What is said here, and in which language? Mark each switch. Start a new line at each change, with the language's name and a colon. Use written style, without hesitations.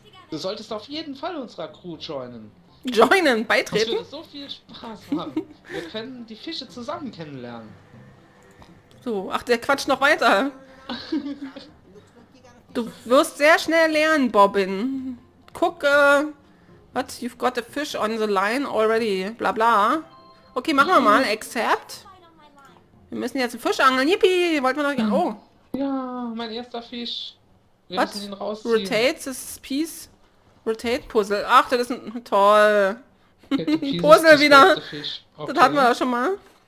German: Du solltest auf jeden Fall unserer Crew joinen. Joinen, beitreten? Das würde so viel Spaß haben. Wir können die Fische zusammen kennenlernen. So, ach, der quatscht noch weiter. Du wirst sehr schnell lernen, Bobbin. Guck, what?
English: You've got a fish on the line already.
German: Bla bla. Okay, machen wir mal. Except. Wir müssen jetzt einen Fisch angeln. Yippie! Wollten wir noch... Oh. Ja, mein erster Fisch. Wir what? Müssen ihn rausziehen.
English: Rotate this piece. Rotate Puzzle.
German: Ach, das ist ein... Toll. Puzzle ist wieder. Okay. Das hatten wir ja schon mal.